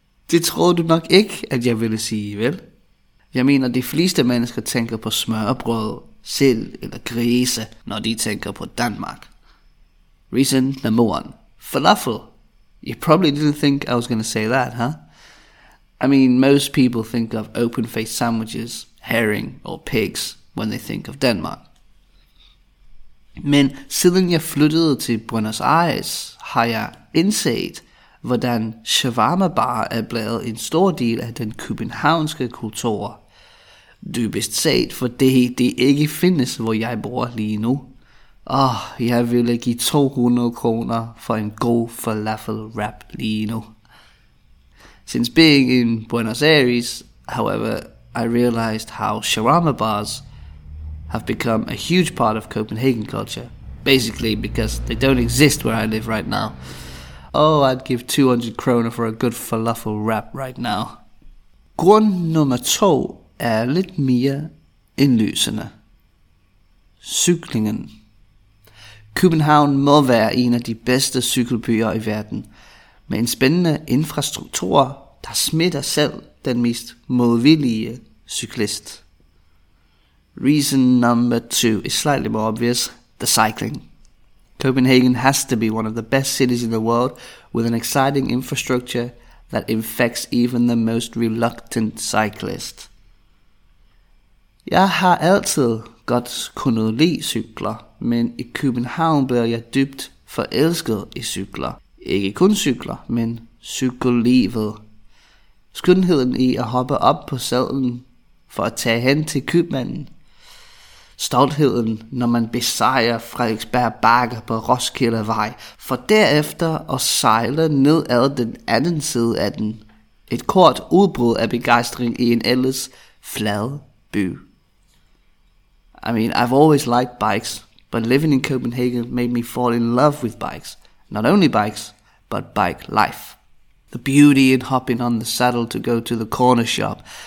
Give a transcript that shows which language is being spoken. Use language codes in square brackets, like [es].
[da] Det tror du nok ikke, at jeg ville sige, vel? Jeg mener, de fleste mennesker tænker på smørbrød, sild eller grise, når de tænker på Danmark. [en] Reason number one. Falafel. You probably didn't think I was going to say that, huh? I mean, most people think of open-faced sandwiches, herring or pigs when they think of Denmark. [da] Men siden jeg flyttede til Buenos Aires, har jeg indset, hvordan shawarma bar er blevet en stor del af den københavnske kultur. Dybest set, for det ikke findes, hvor jeg bor lige nu. Åh, jeg ville give 200 kroner for en god falafel wrap lige nu. [en] Since being in Buenos Aires, however, I realized how shawarma bars have become a huge part of Copenhagen culture, basically because they don't exist where I live right now. Oh, I'd give 200 kroner for a good falafel wrap right now. [da] Grund nummer to er lidt mere indlysende. Cyklingen. København må være en af de bedste cykelbyer i verden, med en spændende infrastruktur, der smitter selv den mest modvillige cyklist. [en] Reason number two is slightly more obvious, the cycling. Copenhagen has to be one of the best cities in the world with an exciting infrastructure that infects even the most reluctant cyclist. [da] Jeg har altid godt kunnet lide cykler, men i København blev jeg dybt forelsket I cykler. Ikke kun cykler, men cykellivet. Skønheden I at hoppe op på sadlen for at tage hen til købmanden. Stoltheden, når man besejrer Frederiksberg Bakker på Roskildevej, for derefter at sejle ned ad den anden side af den. Et kort udbrud af begejstring I en ellers flad by. [en] I mean, I've always liked bikes, but living in Copenhagen made me fall in love with bikes. Not only bikes, but bike life. The beauty in hopping on the saddle to go to the corner shop.